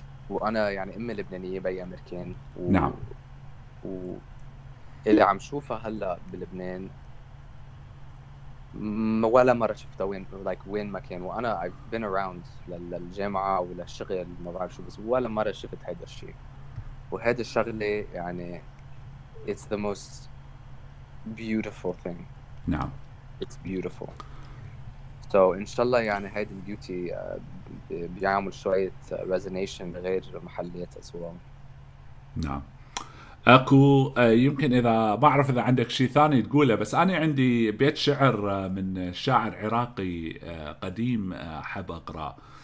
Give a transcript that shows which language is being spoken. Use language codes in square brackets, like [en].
[ar] وأنا يعني أمي لبنانية بي أمريكان، نعم. اللي عم شوفها هلا بلبنان ولا مرة شفتها وين، [en] like [ar] وين ما كان. وأنا [en] I've been around [ar] للجامعة وللشغل ما بعرف شو، بس ولا مرة شفت هيدا الشيء. وهذا الشغلة يعني [en] it's the most beautiful thing. [ar] نعم. [en] It's beautiful. So [ar] إن شاء الله يعني هيدا البيوتي بيعمل شوية [en] resonation [ar] غير محليات [en] as well. [ar] نعم. اكو يمكن اذا ما اعرف اذا عندك شيء ثاني تقوله، بس انا عندي بيت شعر من شاعر عراقي قديم احب اقرا،